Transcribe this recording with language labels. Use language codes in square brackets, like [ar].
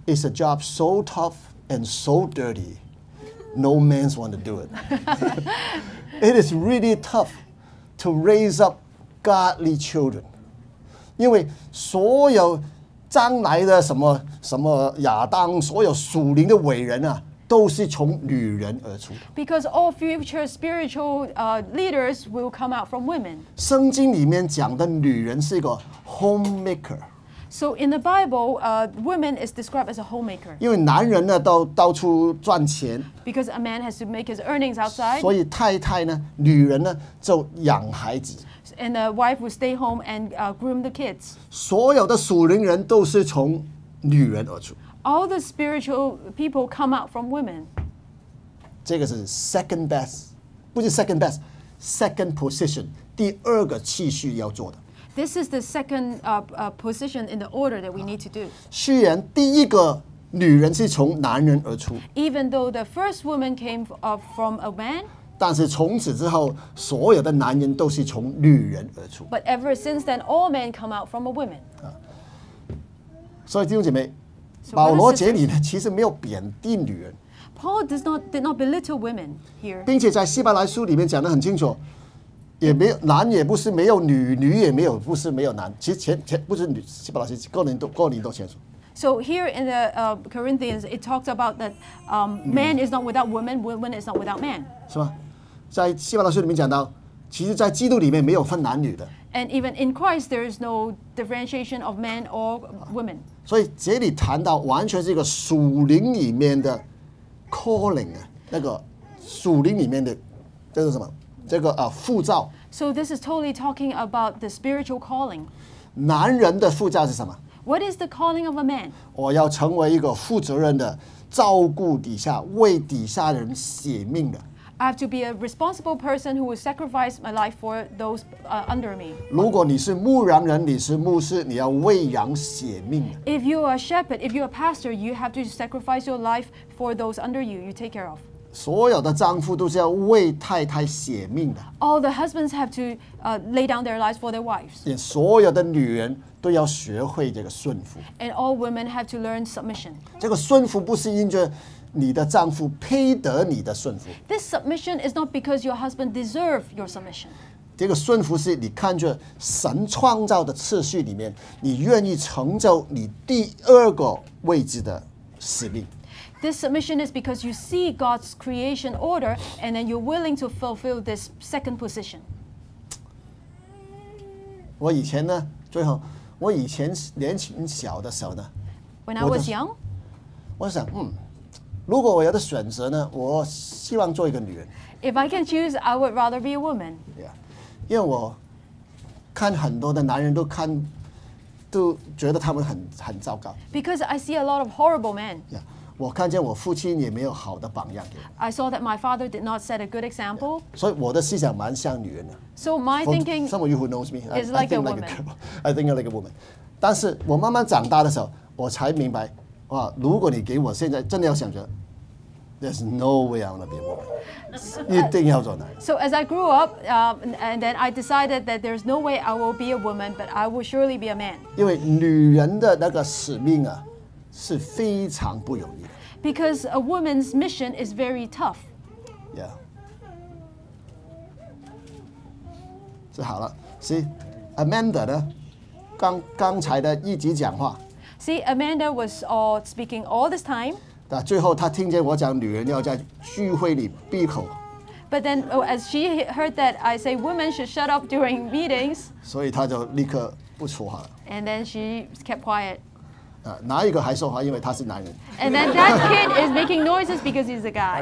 [en] It's a job so tough and so dirty. No man's want to do it. It is really tough to raise up godly children. [zh] 因为所有将来的什么什么亚当，所有属灵的伟人啊，都是从女人而出。 [en] Because all future spiritual leaders will come out from women. [zh] 圣经里面讲的女人是一个 homemaker. [en] So in the Bible, women is described as a homemaker. [zh] 因为男人呢都到处赚钱。 [en] Because a man has to make his earnings outside. [zh] 所以太太呢，女人呢就养孩子。 [en] And the wife will stay home and groom the kids. [zh] 所有的属灵人都是从女人而出。 [en] All the spiritual people come out from women. [zh] 这个是 [en] second best， [zh] 不是 second best， [en] second position， [zh] 第二个次序要做的。 [en] This is the second position in the order that we need to do. [zh] 虽然第一个女人是从男人而出 [en] ，Even though the first woman came from a man， [zh] 但是从此之后，所有的男人都是从女人而出。 [en] But ever since then, all men come out from a woman. [zh] 所以弟兄姐妹，保罗这里呢，其实没有贬低女人。 [en] Paul did not belittle women here. [zh] 并且在希伯来书里面讲得很清楚。也没有男也不是没有女，女也没有不是没有男。其实前不是女，希伯来书各人都清楚。 [en] So here in the Corinthians, it talks about that man is not without woman, woman is not without man. [zh] 是吗？在希伯来书里面讲到，其实，在基督里面没有分男女的。 [en] And even in Christ, there is no differentiation of man or woman. [zh] 所以这里谈到完全是一个属灵里面的 calling 啊，那个属灵里面的这是什么？这个护照。 [en] So this is totally talking about the spiritual calling. [zh] 男人的护照是什么 [en] ？What is the calling of a man？ [zh] 我要成为一个负责任的，照顾底下，为底下人舍命的。 [en] I have to be a responsible person who will sacrifice my life for those under me. [zh] 如果你是牧羊人，你是牧师，你要为羊舍命。 [en] If you are a shepherd, if you are a pastor, you have to sacrifice your life for those under you. You take care of. [zh] 所有的丈夫都是要为太太舍命的。 [en] All the husbands have to lay down their lives for their wives. [zh] 也所有的女人都要学会这个顺服。 [en] And all women have to learn submission. [zh] 这个顺服不是因着你的丈夫配得你的顺服。 [en] This submission is not because your husband deserves your submission. [zh] 这个顺服是你看着神创造的次序里面，你愿意成就你第二个位置的使命。 [en] This submission is because you see God's creation order and then you're willing to fulfill this second position. [zh] 我以前呢，最后，我以前年轻小的时候呢， [en] When I was young? [zh] 我想，如果我有的选择呢，我希望做一个女人。 [en] If I can choose, I would rather be a woman. Yeah. [zh] 因为我看很多的男人都看，都觉得他们很糟糕。 [en] Because I see a lot of horrible men. Yeah. [zh] 我看见我父亲也没有好的榜样给我。 [en] I saw that my father did not set a good example. [zh] 所以我的思想蛮像女人的。 [en] So my thinking, some of you who knows me, is like a woman. I think like a woman. [zh] 但是我慢慢长大的时候，我才明白，哇，如果你给我现在真的要选择 ， [en] there's no way I'm gonna be a woman. [zh] 一定要做男人。 [en] So as I grew up, and then I decided that there's no way I will be a woman, but I will surely be a man. [zh] 因为女人的那个使命啊。是非常不容易的。 [en] Because a woman's mission is very tough. Yeah. [zh] 是好了 ，See Amanda 呢？刚才的一直讲话。 [en] See Amanda was all speaking all this time. [zh] 但最后她听见我讲女人要在聚会里闭口。 [en] But then, as she heard that I say women should shut up during meetings. [zh] 所以她就立刻不说话了。 [en] And then she kept quiet. [zh] 哪一个还说话？因为他是男人。 [en] And then that kid is making noises because he's a guy.